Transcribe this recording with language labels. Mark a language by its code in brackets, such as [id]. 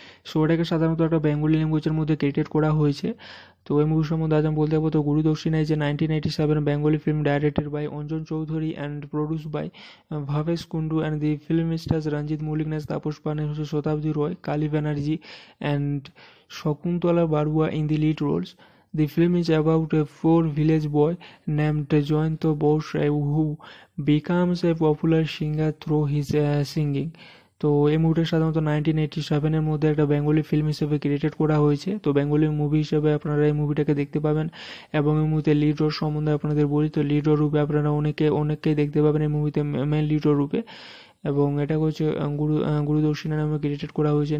[bn] So এটাকে সাধারণত একটা বেঙ্গলি ল্যাঙ্গুয়েজের মধ্যে ক্রিয়েটেড করা হয়েছে। তো এই মুভি সম্বন্ধে আজ আমি বলতে যাবো, তো গুরু দক্ষিণা যে 1997 Bengali film, [en] Directed by Anjan Chowdhury and produce by Bhabesh Kundu and the film stars Ranjit Mallick, নেস Tapas Paul, Satabdi Roy, Kali Banerjee and Shakuntala Barua in the lead roles. The film is about a poor village boy named Jayanta Bose who becomes a popular singer through his singing. [bn] তো এই মুভিটা সাধারণত 1987 মধ্যে একটা Bengali film হিসেবে created করা হয়েছে। তো বেঙ্গলি মুভি হিসেবে আপনারা এই মুভিটাকে দেখতে পাবেন। এবং এই মুভিতে লিড রোল সম্বন্ধে আপনাদের বলি, তো লিড রোল রূপে আপনারা অনেকে অনেককেই দেখতে পাবেন এই মুভিতে মেন লিড রোল রূপে। এবং এটা হচ্ছে গুরু দক্ষিণা নামে ক্রিয়েটেড করা হয়েছে।